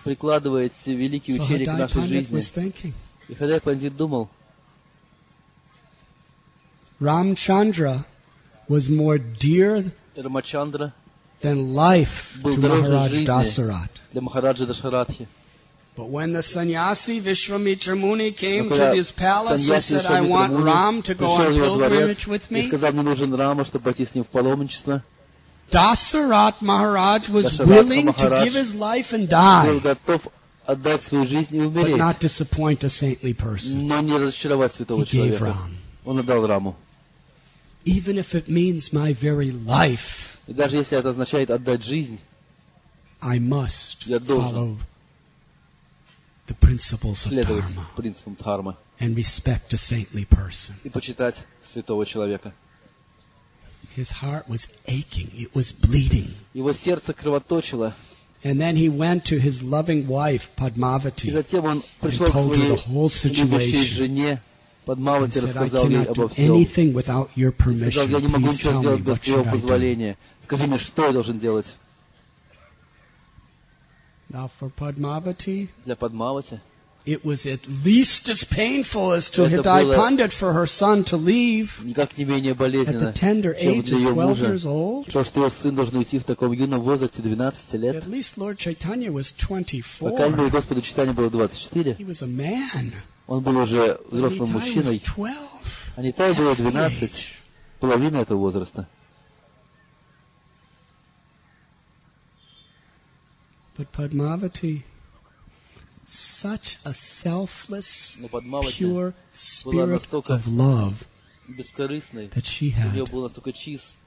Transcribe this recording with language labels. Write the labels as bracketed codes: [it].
[ru] Прикладывая эти великие учения к нашей жизни. И Хадай Пандит думал, [en] Рамчандра was more dear than life to Maharaj Dasarath. But when the sannyasi Vishwamitra Muni came to his palace, he said, I want Ram to go on pilgrimage with me. [ru] Сказал, мне нужен Рама, чтобы пойти с ним в паломничество. [en] Dasarath Maharaj was willing to give his life and die, [ru] отдать свою жизнь и умереть. [en] But not disappoint a saintly person. [ru] Но не разочаровать святого человека. Он отдал Раму. [en] Even if it means my very life, [ru] и даже если это означает отдать жизнь, [en] I must follow the principles of dharma, [ru] принципам дхармы [en] and respect a saintly person. [ru] И почитать святого человека. [en] His heart was aching, it was bleeding. [ru] Его сердце кровоточило. [en] And then he went to his loving wife, Padmavati, and told her the whole situation. [ru] Жене, [en] and said, I cannot do anything without your permission. Please tell me, what should I do? [ru] Скажи мне, что я должен делать? [en] Now for Padmavati, [ru] для Padmavati, [en] it was at least as painful as to Hidai Pandit for her son to leave at the tender age of 12 years old. [ru] То, что ее сын должен уйти в таком юном возрасте 12 лет. [en] At least Lord Chaitanya was 24. [ru] Пока бы Господу Чайтанье было 24. [en] He was a man. [ru] Он был уже взрослым мужчиной. А Нитай было 12, половина этого возраста. [en] But Padmavati, such a selfless, pure spirit of love, that she had.